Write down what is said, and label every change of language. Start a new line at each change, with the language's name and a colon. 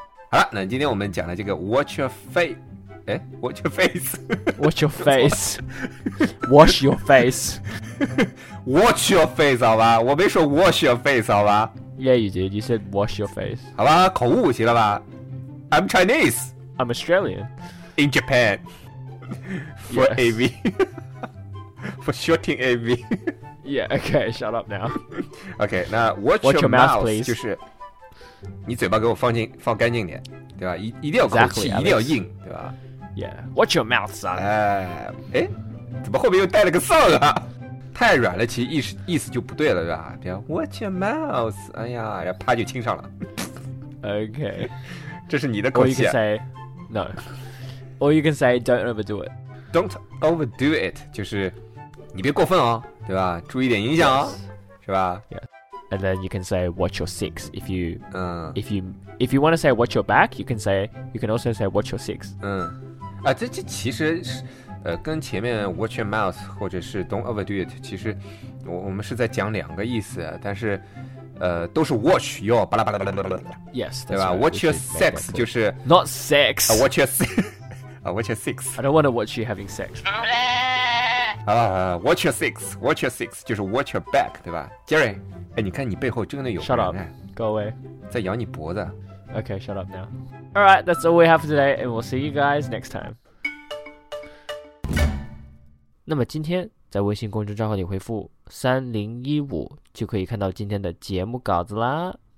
Chinese: 好了，那今天我们讲的这个
English: Watch your face，
Chinese: 哎 ，Watch your face，
English: Watch your face， Wash your face， Watch your face，
Chinese: 好吧，我没说
English: Wash your face，
Chinese: 好吧。
English: Yeah, you did. You said wash your face.
Chinese: 好吧，口误行了吧 ？
English: I'm Chinese. I'm Australian. In Japan, for yes. AV, for shooting AV. Yeah. Okay. Shut up now. Okay. 那 watch your mouth, please.
Chinese: 就是你嘴巴给我放干净点，对吧？一定要口气，
English: exactly,
Chinese: 一定要硬，对吧
English: ？Yeah. Watch your mouth, son.
Chinese: 哎，怎么后面又带了个丧啊？太软了，其实意思就不对了，对吧？
English: 比如 watch your mouth.
Chinese: 哎呀，然后啪就亲上了。
English: Okay.
Chinese: 这是你的口气。
English: Or you can say no. Or you can say, don't overdo it. Don't overdo it.
Chinese: 就是你别过分哦，对吧？注意点影响哦，是吧？
English: Yeah. And then you can say, watch your six. If you want to say, watch your back, you can also say, watch your six.
Chinese: 嗯，啊，这其实是，跟前面
English: watch your mouth
Chinese: 或者是
English: don't overdo it，
Chinese: 其实我们是在讲两个意思，但是，都是 watch your 巴拉巴拉巴拉巴拉。
English: Yes. 对吧 ？Watch your sex 就是 not sex. Watch your sex. Watch your six. I don't want to watch you having sex. Watch your six. Watch your six.
Chinese: 就是
English: watch your back,
Chinese: 对吧 ？Jerry， 哎，你看你背后真的有人。
English: Shut up. Go away.
Chinese: 在咬你脖子。
English: Okay, shut up now. All right, that's all we have for today, and we'll see you guys next time.
Chinese: 那么今天在微信公众账号里回复3015，就可以看到今天的节目稿子啦。